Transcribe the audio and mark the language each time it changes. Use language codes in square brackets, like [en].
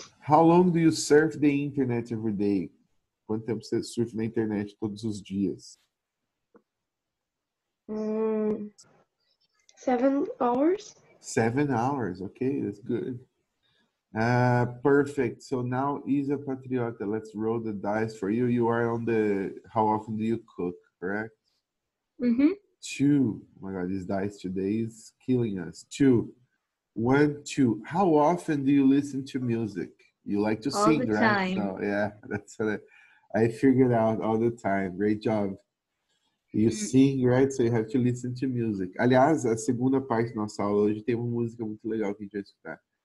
[en] How long do you surf the internet every day? [pt] Quanto tempo você surfa na internet todos os dias? [en] 7 hours. 7 hours, ok, that's good. Perfect. So now, Isa Patriota, let's roll the dice for you. You are on the, how often do you cook, correct? Mm-hmm. 2. Oh my God, this dice today is killing us. 2. 1, 2. How often do you listen to music? You like to sing, right? All the time. So, yeah, that's what I figured out, all the time. Great job. You sing, right? So you have to listen to music. [pt] Aliás, a segunda parte da nossa aula hoje tem uma música muito legal que a gente vai escutar.